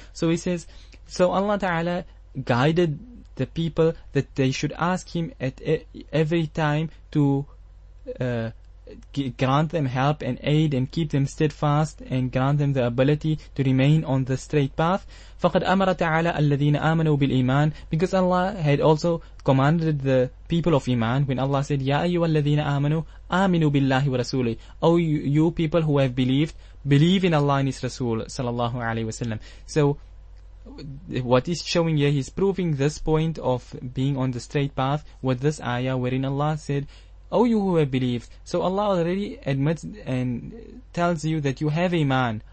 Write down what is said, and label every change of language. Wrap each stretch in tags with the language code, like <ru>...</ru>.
<en>So he says, so Allah Ta'ala guided the people that they should ask him at every time to grant them help and aid and keep them steadfast and grant them the ability to remain on the straight path.</en> <ar>فَقَدْ أَمَرَ تَعَالَى الَّذِينَ آمَنُوا بِالْإِيمَانِ,</ar> <en>because Allah had also commanded the people of Iman when Allah said,</en> <ar>يَا أَيُّوَا الَّذِينَ آمَنُوا آمِنُوا بِاللَّهِ وَرَسُولِهِ.</ar> <en>Oh, you people who have believed, believe in Allah and His Rasul sallallahu alayhi wa sallam. So what he's showing here, he's proving this point of being on the straight path with this ayah wherein Allah said, oh, you who have believed. So Allah already admits and tells you that you have iman.</en>